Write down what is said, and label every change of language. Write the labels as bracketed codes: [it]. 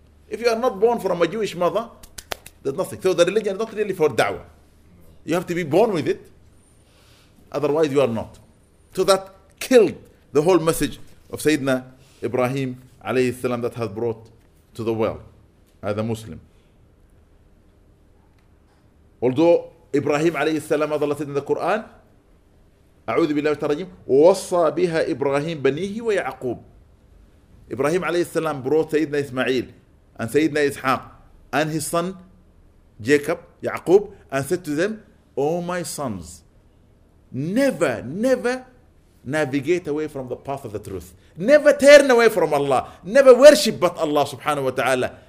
[en] If you are not born from a Jewish mother, there's nothing. So the religion is not really for da'wah. You have to be born with it, otherwise you are not. So that killed the whole message of Sayyidina Ibrahim alayhi salam that has brought to the world as a Muslim. Although Ibrahim alayhi salam, as Allah said in the Quran, [ar] أعوذ بالله من الشيطان الرجيم ووصى بها إبراهيم بنيه ويعقوب. [en] Ibrahim alayhi salam brought Sayyidina Ismail and Sayyidina Ishaq and his son Jacob, Yaqub, and said to them, Oh my sons, never navigate away from the path of the truth. Never turn away from Allah. Never worship but Allah subhanahu wa ta'ala.